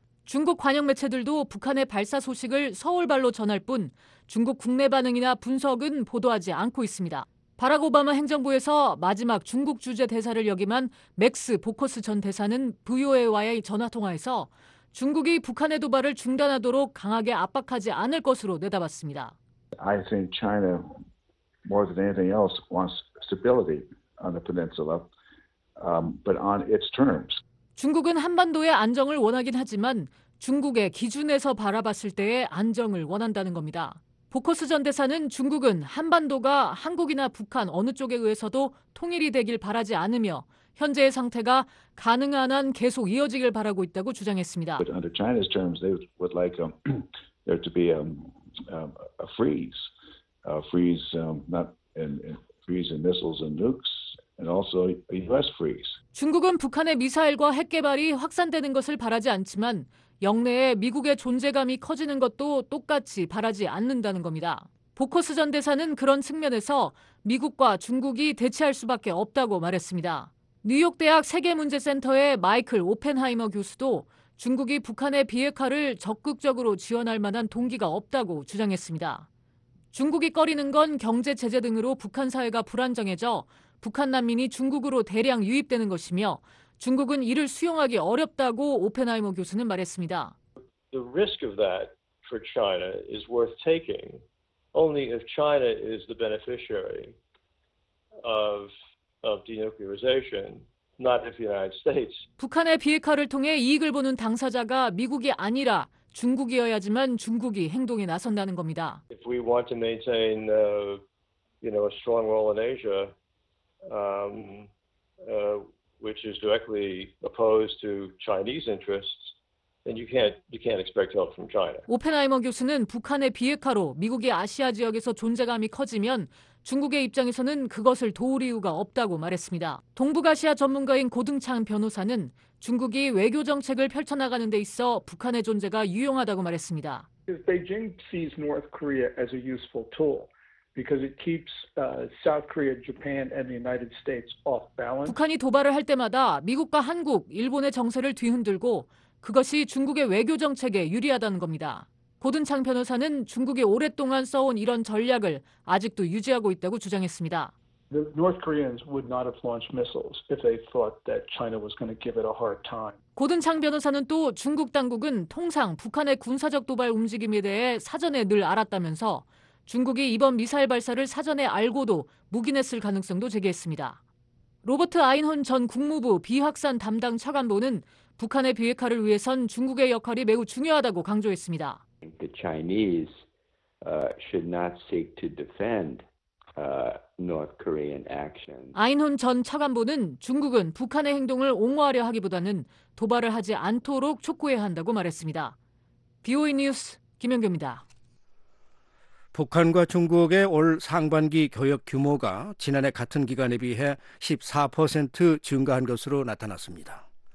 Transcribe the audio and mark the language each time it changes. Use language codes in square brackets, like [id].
[ko] 중국 관영 매체들도 북한의 발사 소식을 서울발로 전할 뿐 중국 국내 반응이나 분석은 보도하지 않고 있습니다. 바락 오바마 행정부에서 마지막 중국 주재 대사를 역임한 맥스 보커스 전 대사는 VOA와의 전화통화에서 중국이 북한의 도발을 중단하도록 강하게 압박하지 않을 것으로 내다봤습니다. [en] I think China more than anything else wants stability on the peninsula, but on its terms. [ko] 중국은 한반도의 안정을 원하긴 하지만 중국의 기준에서 바라봤을 때의 안정을 원한다는 겁니다. 보커스 전 대사는 중국은 한반도가 한국이나 북한 어느 쪽에 의해서도 통일이 되길 바라지 않으며 현재의 상태가 가능한 한 계속 이어지길 바라고 있다고 주장했습니다. [en] But under China's terms, they would like there to be a freeze in missiles and nukes. And also US freeze. [ko] 중국은 북한의 미사일과 핵개발이 확산되는 것을 바라지 않지만 영내에 미국의 존재감이 커지는 것도 똑같이 바라지 않는다는 겁니다. 보커스 전 대사는 그런 측면에서 미국과 중국이 대치할 수밖에 없다고 말했습니다. 뉴욕대학 세계문제센터의 마이클 오펜하이머 교수도 중국이 북한의 비핵화를 적극적으로 지원할 만한 동기가 없다고 주장했습니다. 중국이 꺼리는 건 경제 제재 등으로 북한 사회가 불안정해져 북한 난민이 중국으로 대량 유입되는 것이며 중국은 이를 수용하기 어렵다고 오펜하이머 교수는 말했습니다. [en] The risk of that for China is worth taking. only if China is the beneficiary of denuclearization, not if the United States. [ko] 북한의 비핵화를 통해 이익을 보는 당사자가 미국이 아니라 중국이어야지만 중국이 행동에 나선다는 겁니다. [en] If we want to maintain a strong role in Asia, which is directly opposed to Chinese interests, then you can't expect help from China. [ko] 오펜하이머 교수는 북한의 비핵화로 미국의 아시아 지역에서 존재감이 커지면 중국의 입장에서는 그것을 도울 이유가 없다고 말했습니다. 동북아시아 전문가인 고등창 변호사는 중국이 외교 정책을 펼쳐나가는 데 있어 북한의 존재가 유용하다고 말했습니다. [en] Beijing sees North Korea as a useful tool because it keeps South Korea, Japan, and the United States off balance. [ko] 북한이 도발을 할 때마다 미국과 한국, 일본의 정세를 뒤흔들고 그것이 중국의 외교 정책에 유리하다는 겁니다. 고든창 변호사는 중국이 오랫동안 써온 이런 전략을 아직도 유지하고 있다고 주장했습니다. [en] The North Koreans would not have launched missiles if they thought that China was going to give it a hard time. [ko] 고든창 변호사는 또 중국 당국은 통상 북한의 군사적 도발 움직임에 대해 사전에 늘 알았다면서 중국이 이번 미사일 발사를 사전에 알고도 묵인했을 가능성도 제기했습니다. 로버트 아인혼 전 국무부 비확산 담당 차관보는 북한의 비핵화를 위해선 중국의 역할이 매우 중요하다고 강조했습니다. [en] The Chinese should not seek to defend North Korean actions. [ko] 아인혼 전 차관보는 중국은 북한의 행동을 옹호하려 하기보다는 도발을 하지 않도록 촉구해야 한다고 말했습니다. BOE 뉴스 김연경입니다. 북한과 중국의 올 상반기 교역 규모가 지난해 같은 기간에 비해 14% 증가한 것으로 나타났습니다.